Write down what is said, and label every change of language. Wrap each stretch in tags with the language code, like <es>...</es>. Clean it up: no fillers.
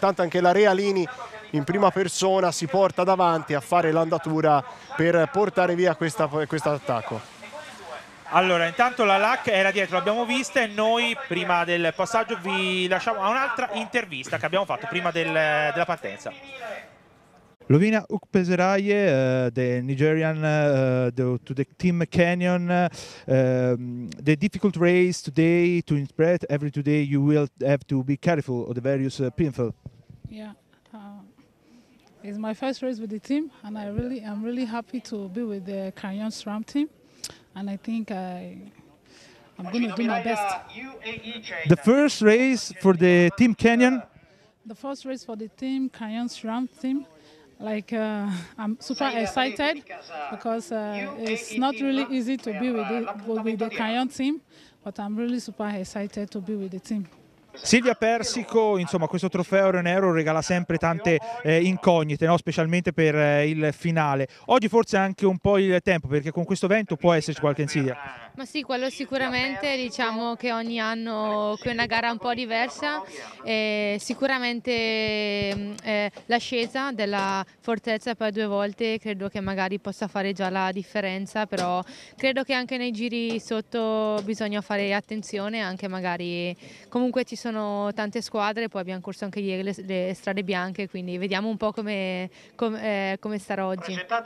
<it>Intanto anche la Realini in prima persona si porta davanti a fare l'andatura per portare via questo attacco. Allora, intanto la LAC era dietro, l'abbiamo vista, e noi prima del passaggio vi lasciamo a un'altra intervista che abbiamo fatto prima della partenza.</it> <en>Lovina Ukpeseraye, the Nigerian to the Team Canyon, the difficult race today to interpret every today, you will have to be careful of the various pinfall. Yeah. It's my first race with the team, and I'm really happy to be with the Canyon SRAM team. And I think I'm going to do my best. The first race for the Team Canyon? The first race for the Team Canyon SRAM team. I'm super excited because it's not really easy to be with the Canyon team, but I'm really super excited to be with the team.</en> <it>Silvia Persico, insomma, questo trofeo Renero regala sempre tante incognite, no? Specialmente per il finale. Oggi forse anche un po' il tempo, perché con questo vento può esserci qualche insidia. Ma sì, quello sicuramente, diciamo che ogni anno qui è una gara un po' diversa, sicuramente l'ascesa della fortezza per due volte credo che magari possa fare già la differenza, però credo che anche nei giri sotto bisogna fare attenzione, anche magari comunque ci sono tante squadre, poi abbiamo corso anche ieri le strade bianche, quindi vediamo un po' come starà oggi.</it>